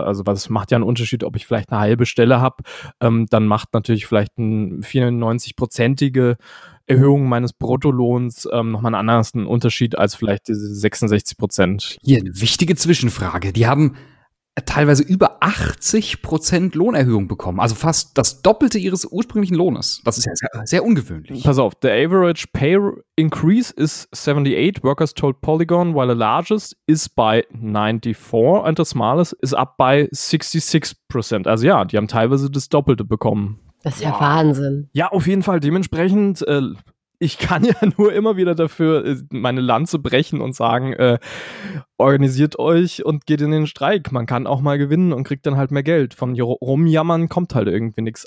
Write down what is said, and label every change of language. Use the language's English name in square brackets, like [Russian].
[German] Also was macht ja einen Unterschied, ob ich vielleicht eine halbe Stelle habe, dann macht natürlich vielleicht eine 94-prozentige Erhöhung meines Bruttolohns nochmal einen anderen Unterschied als vielleicht diese 66%. Hier eine wichtige Zwischenfrage. Die haben teilweise über 80% Lohnerhöhung bekommen, also fast das Doppelte ihres ursprünglichen Lohnes. Das ist ja sehr, sehr ungewöhnlich. Pass auf, [English] the average pay increase is 78, workers told Polygon, while the largest is by 94 and the smallest is up by 66%. [German] Also ja, die haben teilweise das Doppelte bekommen. Das ist ja Wahnsinn. Ja, auf jeden Fall, dementsprechend ich kann ja nur immer wieder dafür meine Lanze brechen und sagen, organisiert euch und geht in den Streik. Man kann auch mal gewinnen und kriegt dann halt mehr Geld. Von rumjammern kommt halt irgendwie nichts.